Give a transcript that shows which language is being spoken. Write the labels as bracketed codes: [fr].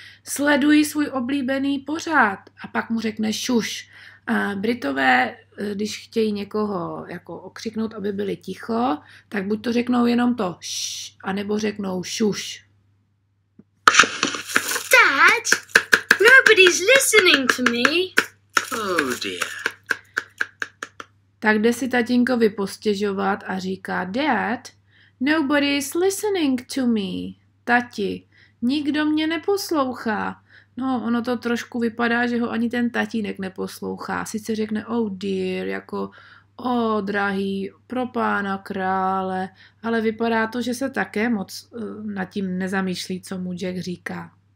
[cs] Sleduji svůj oblíbený pořad. A pak mu řekne, šuš. A Britové, když chtějí někoho jako okřiknout, aby byli ticho, tak buď to řeknou jenom to, š, anebo řeknou šuš. [en] Dad, nobody's listening to me. Oh dear. [cs] Tak jde si tatínkovi postěžovat a říká, [en] Dad, nobody's listening to me. [cs] Tati, nikdo mě neposlouchá. No, ono to trošku vypadá, že ho ani ten tatínek neposlouchá. Sice řekne, [en] oh dear, [cs] jako, o drahý, pro pána krále, ale vypadá to, že se také moc nad tím nezamýšlí, co mu Jack říká.